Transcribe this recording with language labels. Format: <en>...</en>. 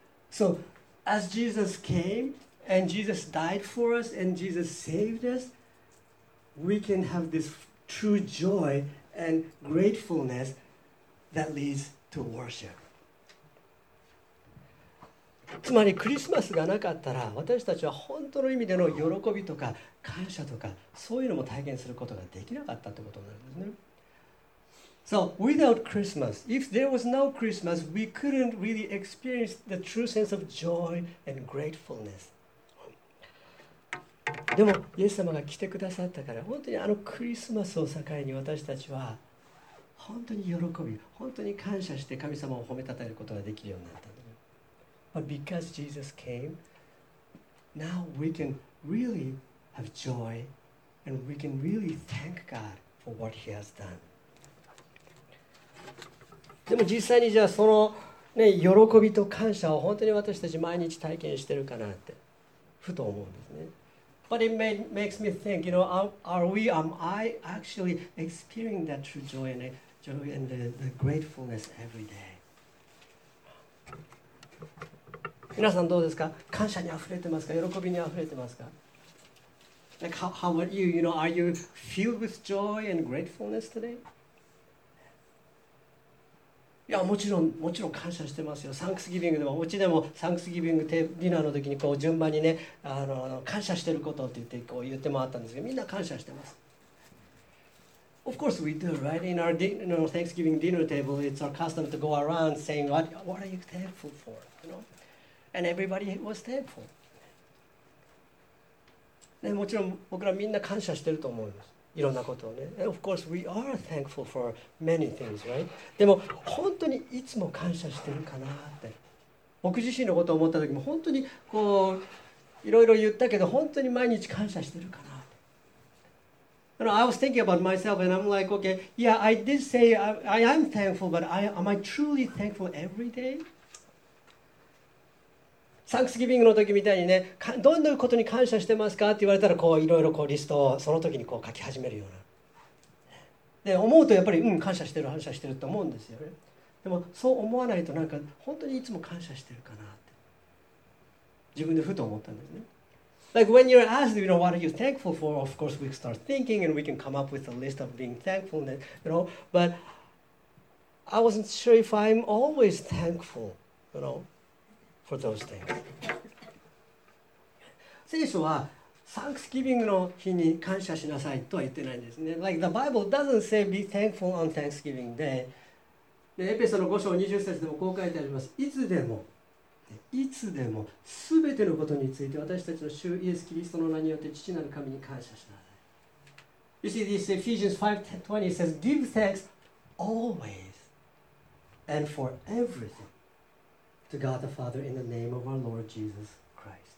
<en>So,As Jesus came and Jesus died for us and Jesus saved us, we can have this true joy and gratefulness that leads to worship.</en> <ja>つまりクリスマスがなかったら私たちは本当の意味での喜びとか感謝とかそういうのも体験することができなかったということになるんですね。</ja> <en>So without Christmas, if there was no Christmas, we couldn't really experience the true sense of joy and gratefulness.</en> <ja>でもイエス様が来てくださったから、本当にあのクリスマスを境に私たちは本当に喜び、本当に感謝して神様を褒めたたえることができるようになったの。</ja> <en>But because Jesus came, now we can really have joy and we can really thank God for what he has done.</en> <ja>でも実際にじゃあその、ね、喜びと感謝を本当に私たち毎日体験してるかなってふと思うんですね。</ja> <en>But it makes me think, you know, am I actually experiencing that true joy and the gratefulness every day?</en> <ja>皆さんどうですか？感謝にあふれてますか？喜びにあふれてますか？</ja> <en>Like how about you? You know, are you filled with joy and gratefulness today?</en> <ja>いやもちろんもちろん感謝してますよ。サンクスギビングでもお家でもサンクスギビングディナーの時にこう順番にね、感謝してることって言ってこう言ってもらったんですけど、みんな感謝してます。</ja> <en>Of course we do, right? In our Thanksgiving dinner table, it's our custom to go around saying what are you thankful for, you know? And everybody was thankful、</en> <ja>ね、もちろん僕らみんな感謝してると思います。いろんなことをね。</ja> <en>Of course, we are thankful for many things, right?</en> <ja>でも本当にいつも感謝してるかなって。僕自身のことを思った時も本当にこういろいろ言ったけど本当に毎日感謝してるかなって。</ja> <en>You know, I was thinking about myself and I'm like, okay, yeah, I did say I am thankful, but am I truly thankful every day?</en> <ja>サンクスギビングの時みたいにね、どんなことに感謝してますかって言われたら、こういろいろこうリストをその時にこう書き始めるような。で、思うとやっぱり、うん、感謝してる、感謝してると思うんですよね。でも、そう思わないとなんか、本当にいつも感謝してるかなって。自分でふと思ったんですね。</ja> <en>Like when you're asked, you know, what are you thankful for? Of course, we start thinking and we can come up with a list of being thankful, you know. But I wasn't sure if I'm always thankful, you know. For those things.</en> <ja>聖書はサンクスギビングの日に感謝しなさいとは言ってないんですね。</ja> <en>Like the Bible doesn't say be thankful on Thanksgiving day.</en> <ja>でエペソの5章20節でもこう書いてあります。いつでも、いつでも全てのことについて私たちの主イエス・キリストの名によって父なる神に感謝しなさい。</ja> <en>You see this Ephesians 5:20 says give thanks always and for everythingTo God the Father in the name of our Lord Jesus Christ.</en>